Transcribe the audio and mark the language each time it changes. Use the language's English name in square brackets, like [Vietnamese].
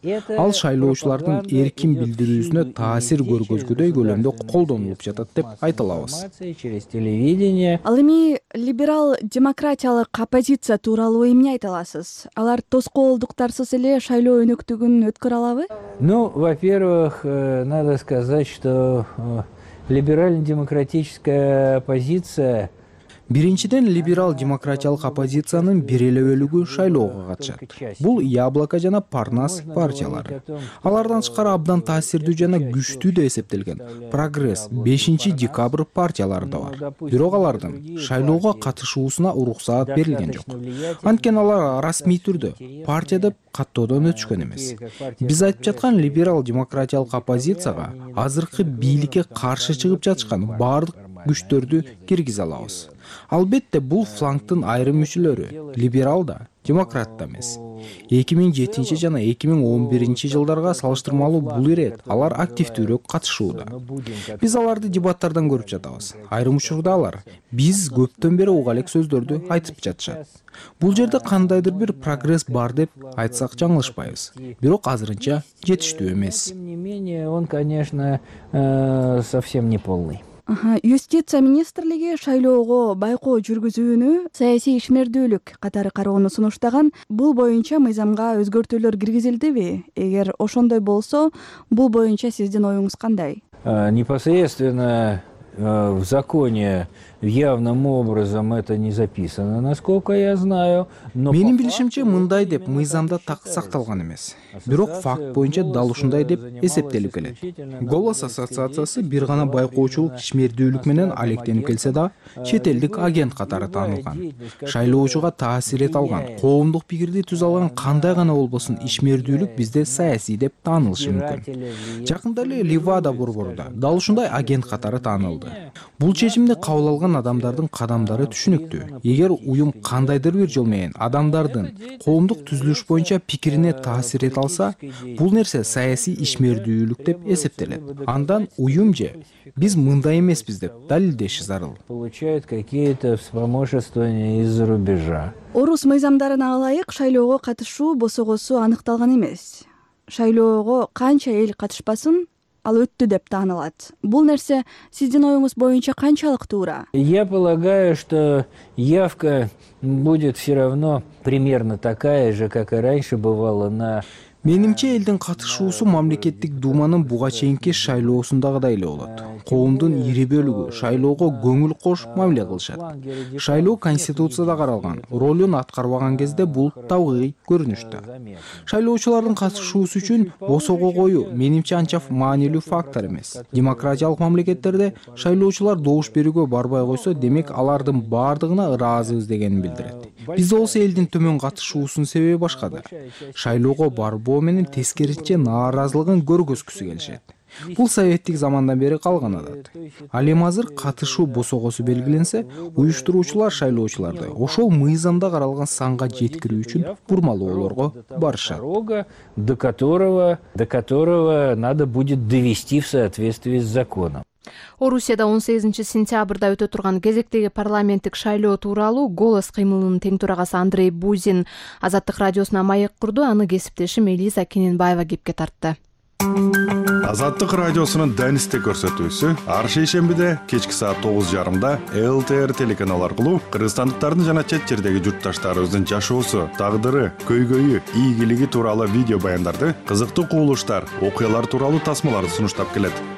[Kyrgyz] Ал шайлоочулардын эркин билдирүүсүнө таасир көргөзгүдөй көлөмдө колдонулуп жатат деп айта алабыз. Ал эми либерал демократиялык оппозиция тууралуу эмне айта аласыз? Алар тоскоолдуктарсыз эле шайлоо өнөктүгүн өткөрө алабы? [Russian] Ну, во-первых, надо сказать, что либерально-демократическая оппозиция. [Kyrgyz] Биринчиден, либерал демократиялык оппозициянын бир эле бөлүгү шайлоого катышат. Бул Яблоко жана Парнас партиялары. Алардан тышкары абдан таасирдүү жана күчтүү деп эсептелген Прогресс, 5 декабрь партиялары да бар. Бирок алардын шайлоого катышуусуна уруксаат берилген жок. Анткени алар расмий түрдө партия деп каттоодон өтүшкөн эмес. Биз айтып жаткан либерал демократиялык оппозицияга азыркы бийликке каршы чыгып жатышкан баардык күчтөрдү киргизе алабыз. Албетте, бул флангтын айрым мүчөлөрү либерал да, демократ да эмес. 2007 жана 2011 жылдарга салыштырмалуу бул ирет алар активдүүрөөк катышууда. Биз аларды дебаттардан көрүп жатабыз. Айрым учурда алар биз көптөн бери уга элек сөздөрдү айтып жатышат. Бул жерде кандайдыр бир прогресс бар деп айтсак жаңылышпайбыз. Бирок азырынча жетиштүү эмес. [Russian] Он, конечно, совсем не полный. [Kyrgyz] Юстиция министрлиги шайлоого байкоо жүргүзүүнү саясий ишмердүүлүк катары кароону сунуштаган. Бул боюнча мыйзамга өзгөртүүлөр киргизилдиби? Эгер ошондой болсо, бул боюнча сиздин оюңуз кандай? [Russian] Непосредственно в законе явным образом это не записано, насколько я знаю. [Kyrgyz] Менин билишимче мындай деп мыйзамда так сакталган эмес. Бирок факт боюнча дал ушундай деп эсептелип келет. Голос ассоциациясы бир гана байкоочулук ишмердүүлүк менен алектенип келсе да, чет элдик агент катары таанылган. Шайлоочуга таасир эте алган, коомдук пикирди түз алган кандай гана болбосун ишмердүүлүк бизде саясий деп таанылышы мүмкүн. Жакында эле Левада борборунда дал ушундай агент катары таанылды. Бул чечимди кабыл алган алган адамдардын кадамдары түшүнүктүү. Эгер уюм кандайдыр бир жол менен адамдардын коомдук түзүлүш боюнча пикирине таасир эте алса, бул нерсе саясий ишмердүүлүк деп эсептелет. Андан уюм же биз мындай эмеспиз деп далилдеши зарыл. [Russian] Получают какие-то вспомогательства из-за рубежа. [Kyrgyz] Орус мыйзамдарына ылайык шайлоого катышуу босогосу аныкталган эмес. Шайлоого канча эл катышпасын, ал өттү деп таанылат. Бул нерсе сиздин оюңуз боюнча канчалык туура? [Russian] Я полагаю, что явка будет все равно примерно такая же, как и раньше бывало на. [Kyrgyz] Менимче элдин катышуусу мамлекеттик дууманын буга чейинки шайлоосундагыдай эле болот. Коомдун ири бөлүгү шайлоого көңүл кошуп мамиле кылышат. Шайлоо конституцияда каралган ролун аткарбаган кезде бул табигый көрүнүштө. Шайлоочулардын катышуусу үчүн босого коюу менимче анча маанилүү фактор эмес. Демократиялык мамлекеттерде шайлоочулар добуш берүүгө барбай койсо, демек алардын баардыгына ыраазыбыз дегенин билдирет. Биз болсо элдин төмөн катышуусунун себеби башкада. Шайлоого барбоо менен тескерисинче нааразылыгын көргөзгүсү келишет. Бул советтик замандан бери калган адат. Ал эми азыр катышуу босогосу белгиленсе, уюштуруучулар шайлоочуларды ошол мыйзамда каралган санга жеткирүү үчүн бурмалоолорго барышат. [Russian] До которого надо будет довести в соответствии с законом. [Kyrgyz] Орусияда 18 сентябрда өтө турган кезектеги парламенттик шайлоо тууралуу Голос кыймылынын тең төрагасы Андрей Бузин Азаттык радиосуна маек курду, аны кесиптешим Элиза Кененбаева кепке тартты. Азаттык радиосунун Денисте көрсөтүүсү ар шейшембиде кечки саат 9:30 LTR телеканал аркылуу кыргызстандыктардын жана чет жердеги журтташтарыбыздын жашоосу, тагдыры, көйгөйү, ийгилиги тууралуу видео баяндарды, кызыктуу кууруштар, окуялар тууралуу тасмаларды сунуштап келет.